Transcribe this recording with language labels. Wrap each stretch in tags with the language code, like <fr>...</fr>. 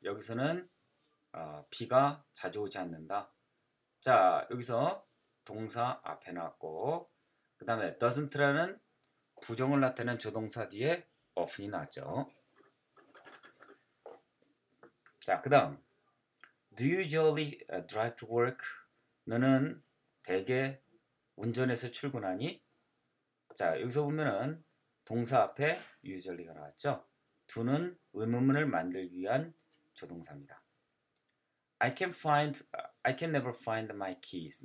<ko>여기서는 비가 자주 오지 않는다. 자, 여기서 동사 앞에 나왔고 그 다음에 doesn't라는 부정을 나타내는 조동사 뒤에 often이 나왔죠. 자, 그 다음</ko> <en>Do you usually drive to work?</en> <ko>너는 대개 운전해서 출근하니? 자, 여기서 보면은 동사 앞에 usually가 나왔죠. do는 의문문을 만들기 위한 조동사입니다.</ko> <en>I can never find my keys.</en>